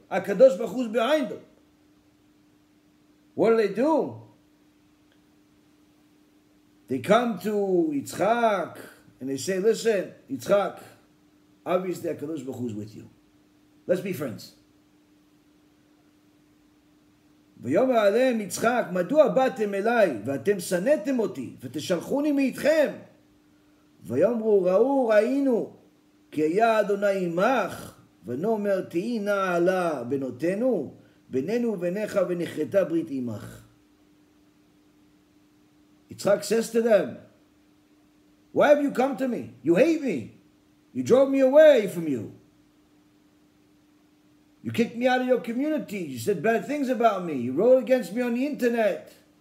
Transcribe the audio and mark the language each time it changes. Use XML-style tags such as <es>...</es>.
<en>HaKadosh Baruch Hu is behind him. What do? They come to Yitzchak and they say, listen, Yitzchak, obviously HaKadosh Baruch Hu is with you. Let's be friends.</en> <he>ויאמר עליהם יצחק, מדוע באתם אליי, ואתם שנאתם אותי, ותשלחוני מאיתכם? ויאמרו, ראו, ראינו, כי היה אדוני עמך, ונאמר, תהי נעלה בנותינו, בינינו וביניך ונכרתה ברית עמך.</he> <en>יצחק says to them, why have you come to me? You hate me. You drove me away from you. You kicked me out of your community. You said bad things about me. You wrote against me on the internet.</en>